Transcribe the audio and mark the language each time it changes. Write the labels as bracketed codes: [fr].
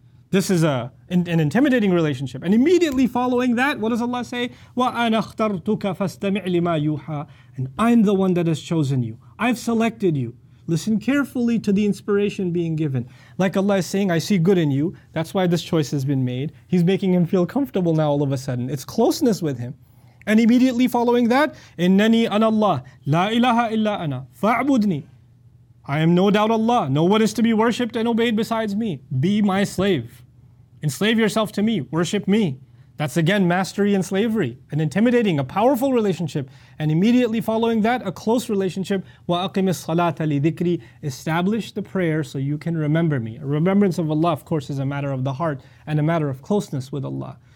[en] This is an intimidating relationship. And immediately following that, what does Allah say? [ar] وَأَنَا اخْتَرْتُكَ فَاسْتَمِعْ لِمَا يُوحَى. [en] And I'm the one that has chosen you. I've selected you. Listen carefully to the inspiration being given. Like Allah is saying, I see good in you. That's why this choice has been made. He's making him feel comfortable now all of a sudden. It's closeness with him. And immediately following that, [ar] إِنَّنِي أَنَا اللَّهِ لَا إِلَهَ إِلَّا أَنَا فَاعْبُدْنِي. [en] I am no doubt Allah. No one is to be worshipped and obeyed besides me. Be my slave. Enslave yourself to me. Worship me. That's again mastery and slavery. An intimidating, a powerful relationship. And immediately following that, a close relationship. [ar] وَأَقِمِ الصَّلَاةَ لِذِكْرِي. [en] Establish the prayer so you can remember me. A remembrance of Allah, of course, is a matter of the heart and a matter of closeness with Allah.